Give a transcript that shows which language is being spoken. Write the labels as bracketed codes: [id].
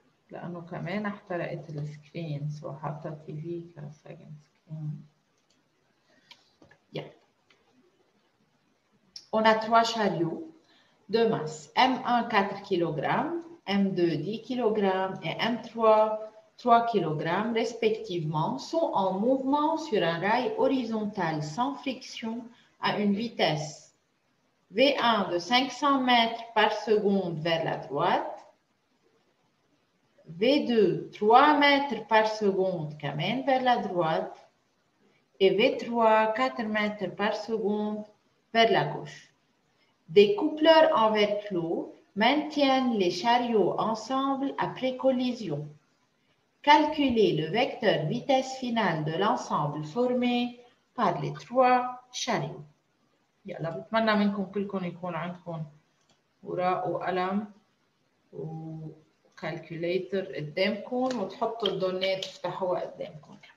[ar] لأنه كمان احترقت السكرين سو حاطة تي في كسكند سكرين يا [fr] On a trois chariots de masse. M1, 4 kg, M2, 10 kg et M3, 3 kg respectivement sont en mouvement sur un rail horizontal sans friction à une vitesse V1 de 500 mètres par seconde vers la droite, V2, 3 mètres par seconde quand même vers la droite et V3, 4 mètres par seconde vers la gauche. Des coupleurs en verre-clos maintiennent les chariots ensemble après collision. Calculez le vecteur vitesse finale de l'ensemble formé par les trois chariots. [ar] يلا بتمنى منكم كلكم يكون عندكم ورق وقلم وكالكوليتر قدامكم وتحطوا الدونات تفتحوها قدامكم.